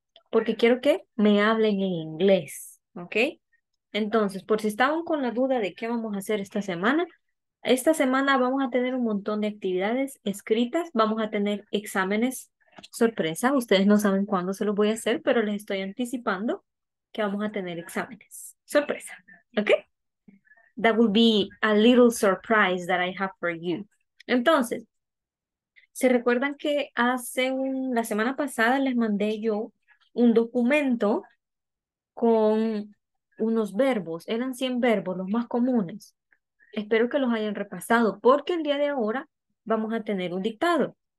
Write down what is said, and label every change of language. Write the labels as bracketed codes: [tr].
[es] Porque quiero que me hablen en inglés, ¿ok? Entonces, por si estaban con la duda de qué vamos a hacer esta semana. Esta semana vamos a tener un montón de actividades escritas, vamos a tener exámenes sorpresa. Ustedes no saben cuándo se los voy a hacer, pero les estoy anticipando que vamos a tener exámenes sorpresa. ¿Ok? [en] That will be a little surprise that I have for you. [es] Entonces, ¿se recuerdan que la semana pasada les mandé yo un documento con unos verbos? Eran 100 verbos, los más comunes. Espero que los hayan repasado porque el día de ahora vamos a tener un dictado.